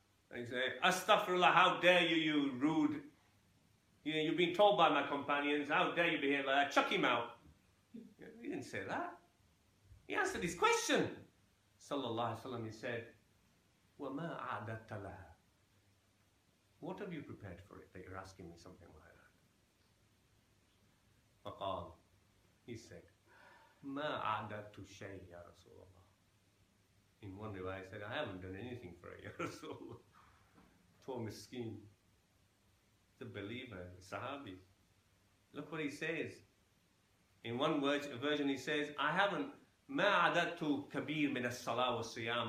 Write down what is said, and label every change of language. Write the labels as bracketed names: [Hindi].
[English] And he says, Astaghfirullah, how dare you, you rude. You know, you've been told by my companions, how dare you behave like that? Chuck him out. He didn't say that. He answered his question. Sallallahu Alaihi Wasallam, he said, [Arabic] وَمَا أَعْدَدْتَ لَهَا. [English] What have you prepared for it that you're asking me something like that? [Arabic] فقال, [English] he said, [Arabic] مَا أَعْدَدْتُ شَيْءٍ يَا رَسُولَ اللَّهِ. [English] In one way, he said, I haven't done anything for it, Ya Rasulullah. Poor miskin. The believer, the sahabi. Look what he says. In one word, a version, he says, I haven't [Arabic] Ma'adatu kabir min as-salah wa siyam.